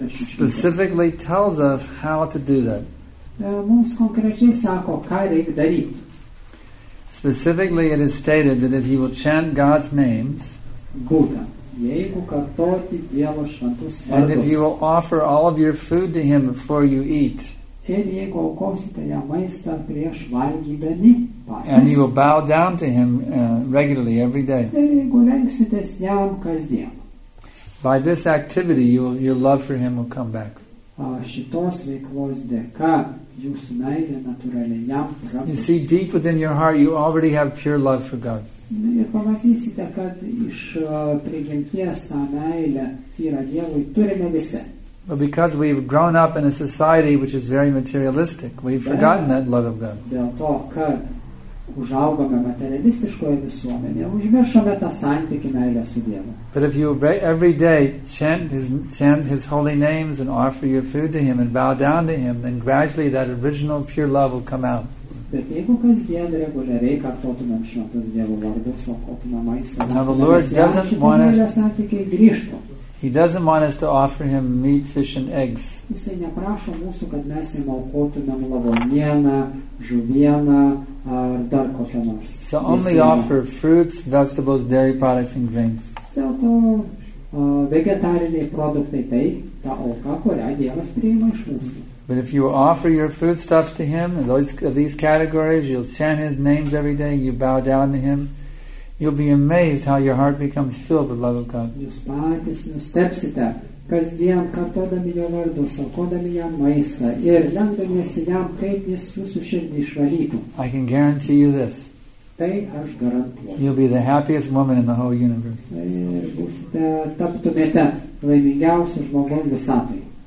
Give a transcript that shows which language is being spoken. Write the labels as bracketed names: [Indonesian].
[English] Specifically tells us how to do that. [Lithuanian] Mums konkrečiai sako, ką reikia daryti. [English] Specifically, it is stated that if you will chant God's names, [Lithuanian] jeigu kartoti Dievo šventus vardus, [English] and if you will offer all of your food to Him before you eat, [Lithuanian] ir jeigu aukosite jam maistą prieš valgydami, [English] and you will bow down to Him regularly every day, [Lithuanian] ir jeigu lenksitės jam kasdien. [English] By this activity, your love for Him will come back. [Lithuanian] Šitos veiklos dėka, jūsų meilė natūraliai jam prabus. [English] You see, deep within your heart, you already have pure love for God. [Lithuanian] Ir pamatysite, kad iš prigimties tą meilę, tyra Dievui, turime visi. [English] But because we've grown up in a society which is very materialistic, we've forgotten that love of God. [Lithuanian] Dėl to, kad užaugome materialistiškoje visuomenėje, užmiršome tą santykį meilę su Dievu. [English] But if you every day chant his holy names and offer your food to Him and bow down to Him, then gradually that original pure love will come out. [Lithuanian] Bet jeigu kasdien reguliariai kartotumėm šventus Dievo vardus, aukotumėm maistą, [English] now the Lord doesn't want us. [Lithuanian] Santykiai grįžtų. [English] He doesn't want us to offer Him meat, fish and eggs. [Lithuanian] Jisai neprašo mūsų, kad mes jam aukotumėm lavonieną, žuvieną, ar dar kokią nors. [English] So only offer fruits, vegetables, dairy products and grains. [Lithuanian] Dėl to vegetariniai produktai tai ta auka, kurią Dievas priima iš mūsų. [English] But if you offer your foodstuffs to Him, these categories, you'll chant His names every day, you bow down to Him, you'll be amazed how your heart becomes filled with love of God. [Lithuanian] Jūs patys nustepsite, kasdien kartodami jo vardus, aukodami jam maistą ir lenkdamiesi jam, kaip jis jūsų širdį išvalytų. [English] I can guarantee you this. [Lithuanian] Tai aš garantuoju. [English] You'll be the happiest woman in the whole universe. [Lithuanian] Ir būsite, taptumėte laimingiausiu žmogumi visatoje.